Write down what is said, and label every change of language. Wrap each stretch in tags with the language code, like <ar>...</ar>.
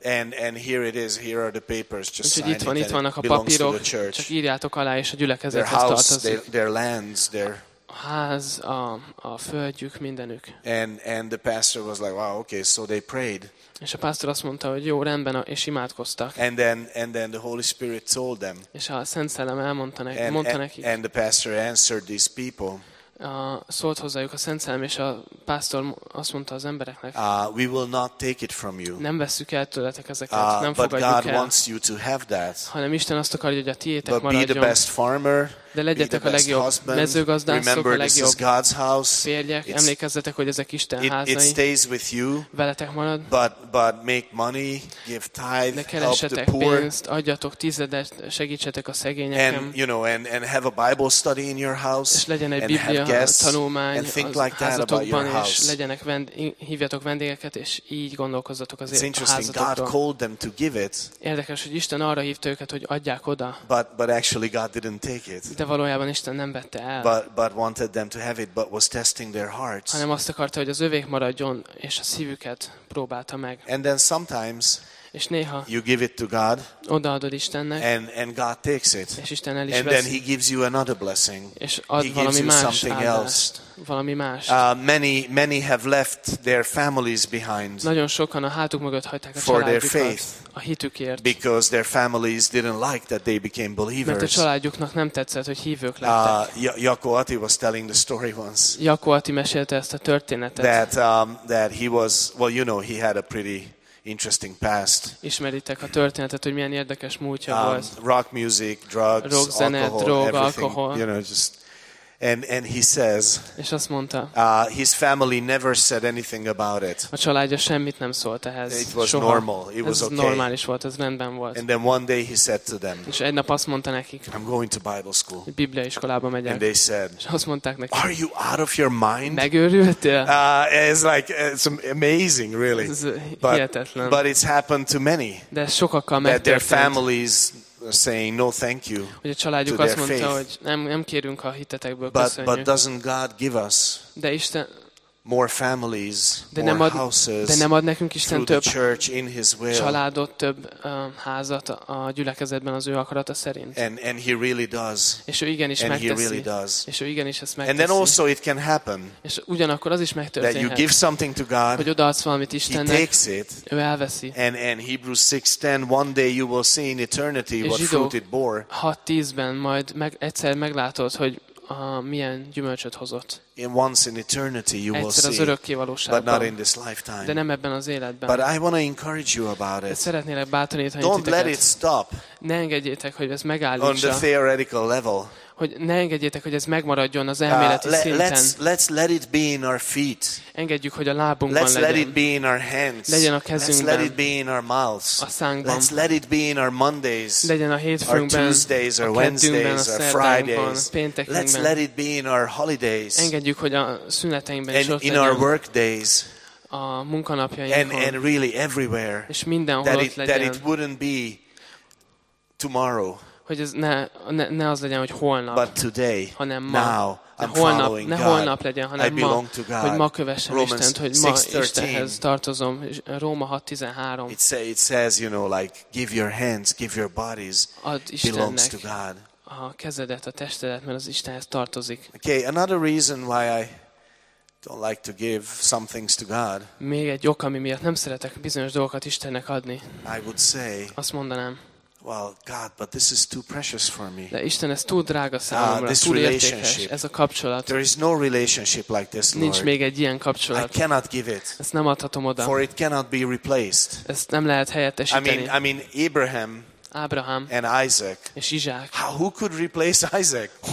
<en>And here it is, here are the papers, just</en> <hu>úgyhogy itt van,</hu> <en>it,</en> <hu>itt vannak a papírok, csak írjátok alá és a gyülekezethez tartozik.</hu> <en>Their lands, their</en> <hu>ház, a földjük, mindenük.</hu> <en>And the pastor was like, wow, okay, so they prayed.</en> <hu>És a pásztor azt mondta, hogy jó, rendben, és imádkoztak.</hu> <en>And then the Holy Spirit told them.</en> <hu>És a Szent Szellem elmondta nekik.</hu> <en>And the pastor answered these people.</en> <hu>Szólt hozzájuk a Szent Szellem, és a pásztor azt mondta az embereknek.</hu> <en>We will not take it from you.</en> <hu>Nem veszük el tőletek ezeket, nem fogadjuk</hu> <en>God</en> <hu>el.</hu> <en>Wants you to have that.</en> <hu>Hanem Isten azt akarja, hogy a tiétek</hu> <en>but</en> <hu>maradjon.</hu> <en>But be the best farmer.</en> <hu>De legyetek a legjobb mezőgazdászok,</hu> <en>remember,</en> <hu>a legjobb férjek, emlékezzetek, hogy ezek Isten házai.</hu> <en>It stays with you,</en> <hu>veletek marad.</hu> <en>But make money, give tithe,</en> <hu>ne keressetek pénzt, adjatok tizedet, segítsetek a szegényeken.</hu> <en>And, you know, and have a Bible study in your house,</en> <hu>és legyen egy Biblia tanulmány a házatokban, és legyenek hívjatok vendégeket, és így gondolkozzatok az házatokban. Érdekes, hogy Isten arra hívta őket, hogy adják oda.</hu> <en>But actually God didn't take it.</en> <hu>De valójában Isten nem vette el.</hu> <en>But wanted them to have it, but was testing their hearts.</en> <hu>Hanem azt akarta, hogy az övék maradjon, és a szívüket próbálta meg.</hu> <en>And then sometimes,</en> <hu>és néha,</hu> <en>you give it to God,</en> <hu>odaadod Istennek,</hu> <en>and God takes it,</en> <hu>és Isten el is veszi.</hu> <en>And then he gives you another blessing.</en> <hu>És ad</hu> <en>he</en> <hu>valami</hu> <en>gives you something</en> <hu>áldást,</hu> <en>else.</en> <hu>Valami más.</hu> <en>Many have left their families behind.</en> <hu>Nagyon sokan a hátuk mögött hagyták a</hu> <en>for their faith,</en> <hu>a hitükért.</hu> <en>Because their families didn't like that they became believers.</en> <hu>Mert a családjuknak nem tetszett, hogy hívők lettek.</hu> <en>Jakó Ati was telling the story once.</en> <hu>Jakó Ati mesélte ezt a történetet.</hu> <en>That he was, well, you know, he had a pretty interesting past.</en> <hu>Ismeritek a történetet, hogy milyen érdekes múltja volt.</hu> <en>Rock music, drugs,</en> <hu>rock zene,</hu> <en>alcohol,</en> <hu>droga,</hu> <en>everything,</en> <hu>alkohol.</hu> <en>You know, just. And he says,</en> <hu>és azt mondta,</hu> <en>his family never said anything about it.</en> <hu>A családja semmit nem szólt ehhez.</hu> <en>It was</en> <hu>soha.</hu> <en>Normal. It</en> <hu>ez</hu> <en>was okay.</en> <hu>Normális volt, ez rendben volt.</hu> <en>And then one day he said to them,</en> <hu>és egy nap azt mondta nekik,</hu> <en>I'm going to Bible school.</en> <hu>Biblia iskolába megyek.</hu> <en>And they said,</en> <hu>és azt mondták nekik,</hu> <en>are you out of your mind?</en> <hu>Megőrültél?</hu> <en>It's like it's amazing, really.</en> <hu>Ez hihetetlen.</hu> <en>But it's happened to many.</en> <hu>De sokakkal megtörtént.</hu> <en>That their families saying no thank you.</en> <hu>Hogy a családjuk azt mondta, hogy nem kérünk a hitetekből, köszönjük.</hu> <en>But doesn't God give us more families, more houses,</en> <hu>de nem ad nekünk Isten több</hu> <en>church, in his will,</en> <hu>családot, több házat a gyülekezetben az ő akarata szerint.</hu> <en>And he really does.</en> <hu>És ő igenis megteszi.</hu> <en>He really does.</en> <hu>És ő igenis ezt megteszi.</hu> <en>And then also it can happen.</en> <hu>És ugyanakkor az is megtörténhet.</hu> <en>That you give something to God,</en> <hu>hogy odaadsz valamit Istennek.</hu> <en>He takes it.</en> <hu>Ő elveszi.</hu> <en>And Hebrews 6:10, one day you will see in eternity what fruit it bore.</en> <hu>6:10-ben majd egyszer meglátod, hogy milyen gyümölcsöt hozott.</hu> <en>In once in eternity you will see.</en> <hu>Egyszer az örökké valóságban.</hu> <en>But not in this lifetime.</en> <hu>De nem ebben az életben.</hu> <en>But I want to encourage you about it.</en> <hu>Szeretnélek bátorítani titeket.</hu> <en>Don't let it stop.</en> <hu>Ne engedjétek, hogy ez megállítsa.</hu> <en>On the theoretical level.</en> <hu>Hogy ne engedjétek, hogy ez megmaradjon az elméleti szinten.</hu> <en>Let's let it be in our feet.</en> <hu>Engedjük, hogy a lábunkban</hu> <en>let's</en> <hu>legyen.</hu> <en>Let it be in our hands.</en> <hu>Legyen a kezünkben.</hu> <en>Let's let it be in our mouths.</en> <hu>A szánkban.</hu> <en>Let's let it be in our Mondays.</en> <hu>Legyen a hétfőnkben.</hu> <en>Our Tuesdays, our Wednesdays, our Fridays.</en> <hu>Péntekünkben.</hu> <en>Let's let it be in our holidays.</en> <hu>Engedjük, hogy a szüneteinkben is ott legyen.</hu> <en>In our work days.</en> <hu>A munkanapjainkon.</hu> <en>And really everywhere.</en> <hu>És mindenhol ott legyen.</hu> <en>That it wouldn't be tomorrow.</en> <hu>Hogy ez ne az legyen, hogy holnap,</hu> <en>but today,</en> <hu>hanem ma.</hu> <en>Now,</en> <hu>holnap,</hu> <en>I'm</en> <hu>ne holnap legyen, hanem ma, hogy ma kövessem</hu> <en>Romans</en> <hu>Istent, hogy ma 6:13. Istenhez tartozom. Róma 6:13.</hu> <en>It says, you know, like, give your hands, give your bodies,</en> <hu>ad</hu> <en>belongs to God.</en> <hu>A kezedet, a testedet, mert az Istenhez tartozik.</hu> <en>Okay, another reason why I don't like to give some things to God.</en> <hu>Még egy ok, ami miatt nem szeretek bizonyos dolgokat Istennek adni.</hu> <en>I would say,</en> <hu>azt mondanám,</hu> <en>well, God, but this is too precious for me.</en> <hu>De Isten, ez túl drága számomra,</hu> <en>this</en> <hu>túl</hu> <en>relationship,</en> <hu>értékes, ez a kapcsolat.</hu> <en>There is no relationship like this, Lord.</en> <hu>Nincs még egy ilyen kapcsolat.</hu> <en>I cannot give it.</en> <hu>Ezt nem adhatom oda.</hu> <en>For it cannot be replaced.</en> <hu>Ezt nem lehet helyettesíteni.</hu> <en>I mean Abraham. Abraham and Isaac.</en> <hu>És Izsák.</hu> <en>Who could replace Isaac?</en>